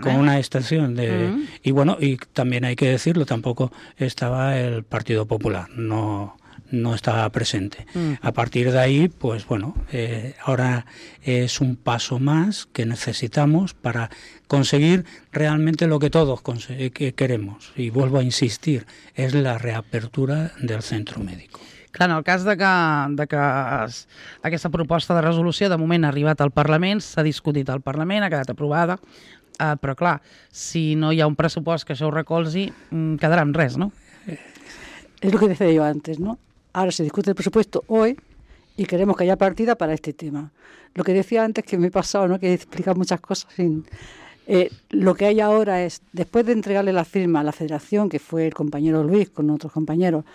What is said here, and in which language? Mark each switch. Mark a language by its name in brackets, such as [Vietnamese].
[Spanish] Con una abstención de y bueno, y también hay que decirlo, tampoco estaba el Partido Popular, no estaba presente. A partir de ahí, pues bueno, ahora es un paso más que necesitamos para conseguir realmente lo que todos queremos, y vuelvo a insistir, es la reapertura del centro médico. [Catalan] Clar, en el cas de que aquesta proposta de resolució de moment ha arribat al Parlament, s'ha discutit al Parlament, ha quedat aprovada, però clar, si no hi ha un pressupost que això ho recolzi, quedarà en res, no? [Spanish] És el que decía yo antes, ¿no? Ahora se discute el presupuesto hoy y queremos que haya partida para este tema. Lo que decía antes, que me he pasado, ¿no?, que he explicado muchas cosas. Lo que hay ahora es, después de entregarle la firma a la federación, que fue el compañero Luis con otros compañeros,